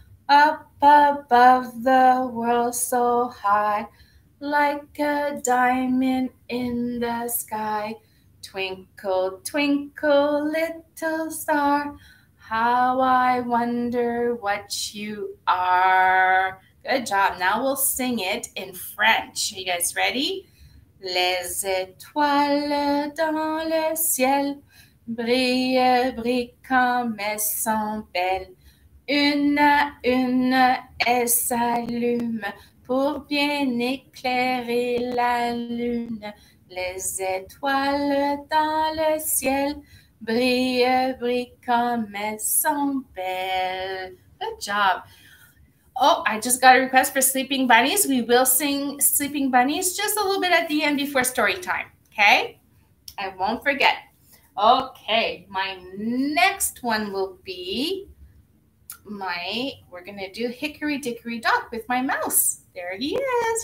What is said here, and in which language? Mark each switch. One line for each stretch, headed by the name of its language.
English: Up above the world so high, like a diamond in the sky. Twinkle, twinkle, little star. How I wonder what you are. Good job. Now we'll sing it in French. Are you guys ready?
French: Les étoiles dans le ciel. Brille, brille comme elles sont belles. Une à une, elles s'allument pour bien éclairer la lune. Les étoiles dans le ciel brille, brille comme elles sont belles.
English: Good job. Oh, I just got a request for Sleeping Bunnies. We will sing Sleeping Bunnies just a little bit at the end before story time, okay? I won't forget. Okay, my next one will be we're going to do Hickory Dickory Dock with my mouse. There he is.